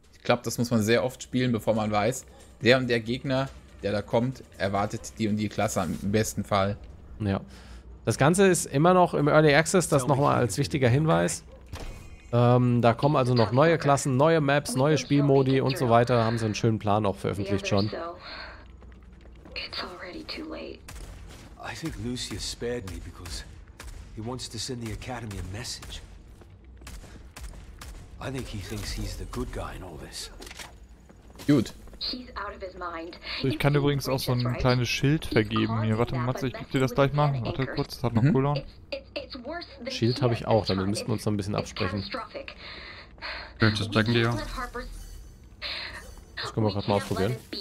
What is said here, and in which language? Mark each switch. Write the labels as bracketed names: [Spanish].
[German] Ich glaube, das muss man sehr oft spielen, bevor man weiß, der und der Gegner, der da kommt, erwartet die und die Klasse im besten Fall. Ja. Das Ganze ist immer noch im Early Access, das nochmal als wichtiger Hinweis. Da kommen also noch neue Klassen, neue Maps, neue Spielmodi und so weiter. Haben sie einen schönen Plan auch veröffentlicht schon. [English] It's already too late. I think Lucius spared me because he wants to send the Academy a message. I think he thinks he's the good guy in all this. Gut. She's out of his mind. [German] Ich kann übrigens auch so ein kleines Schild vergeben. Hier, warte, Matze, ich geb dir das gleich mal. Warte kurz, das hat noch Cooldown. Schild habe ich auch, damit müssten wir uns noch ein bisschen absprechen. Das stecken die ja. Das können wir gerade mal ausprobieren.